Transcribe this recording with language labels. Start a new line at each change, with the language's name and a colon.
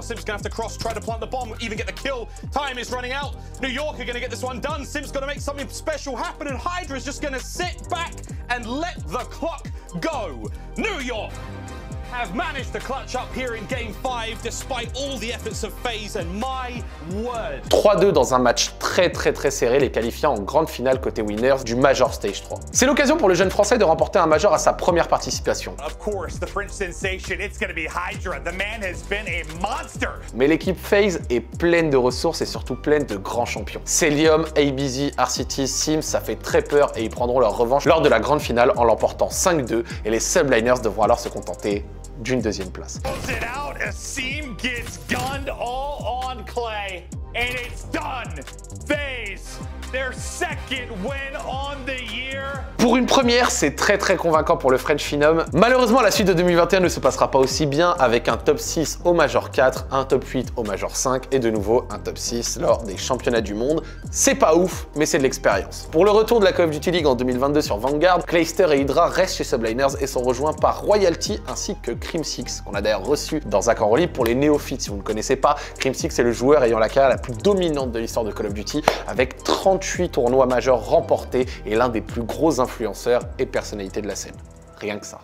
English: Sim's gonna have to cross, try to plant the bomb, even get the kill. Time is running out. New York are gonna get this one done. Sim's gonna make something special happen, and Hydra's just gonna sit back and let the clock go. New York have managed to clutch up here in game 5 despite all the efforts of FaZe, and my word.
French: 3-2 dans un match très très très serré, les qualifiant en grande finale côté winners du Major Stage 3. C'est l'occasion pour le jeune français de remporter un Major à sa première participation.
English: Of course, the French sensation, it's gonna be Hydra. The man has been a monster.
French: Mais l'équipe FaZe est pleine de ressources et surtout pleine de grands champions. Selium, ABZ, RCT, Sim, ça fait très peur et ils prendront leur revanche lors de la grande finale en l'emportant 5-2, et les subliners devront alors se contenter d'une deuxième place.
English: It out, a seam gets gunned all on clay, and it's done. FaZe, their second win on the year.
French: Pour une première, c'est très très convaincant pour le French Phenom. Malheureusement, la suite de 2021 ne se passera pas aussi bien, avec un top 6 au Major 4, un top 8 au Major 5 et de nouveau un top 6 lors des championnats du monde. C'est pas ouf, mais c'est de l'expérience. Pour le retour de la Call of Duty League en 2022 sur Vanguard, Clayster et Hydra restent chez Subliners et sont rejoints par Royalty ainsi que Crimsix, qu'on a d'ailleurs reçu dans un camp en ligne pour les néophytes. Si vous ne connaissez pas, Crimsix est le joueur ayant la carrière la plus dominante de l'histoire de Call of Duty, avec 38 tournois majeurs remportés et l'un des plus gros influenceurs et personnalités de la scène. Rien que ça.